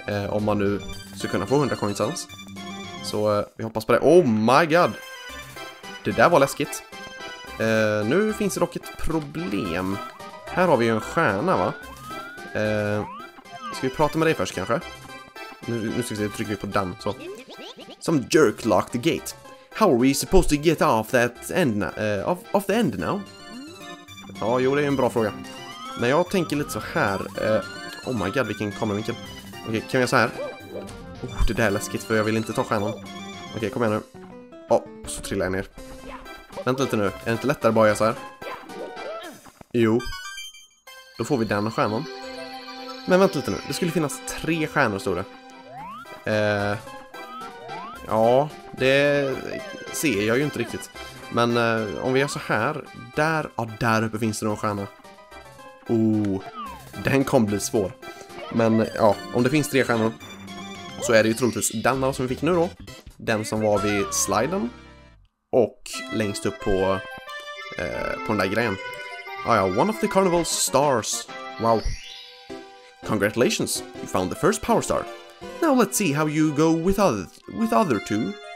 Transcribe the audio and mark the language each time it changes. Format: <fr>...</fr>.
<sv>Om man nu ska kunna få 100 coins ens. Så vi hoppas på det. Oh my god! Det där var läskigt. Nu finns det dock ett problem. Här har vi ju en stjärna, va? Ska vi prata med dig först, kanske? Nu ska vi trycka på den, så.</sv> <en>Some jerk locked the gate. How are we supposed to get off that end now?</en> <sv>Off the end now? Ja, jo, det är en bra fråga. Men jag tänker lite så här. Oh my god, vilken kameravinkel. Okej, kan vi göra så här? Oh, det där är läskigt, för jag vill inte ta stjärnan. Okej, kom igen nu. Ja, oh, så trillar jag ner. Vänta lite nu. Är det inte lättare bara göra så här? Jo. Då får vi den stjärnan. Men vänta lite nu. Det skulle finnas 3 stjärnor, stod det. Ja, det ser jag ju inte riktigt. Men om vi gör så här, där, ja, där uppe finns det någon stjärna. Oh, den kommer bli svår. Men ja, om det finns 3 stjärnor så är det ju troligtvis denna som vi fick nu då. Den som var vid sliden och längst upp på den där grejen.</sv> <en>Ah, ja, one of the carnival's stars. Wow. Congratulations, you found the first power star. Now let's see how you go with other two.</en>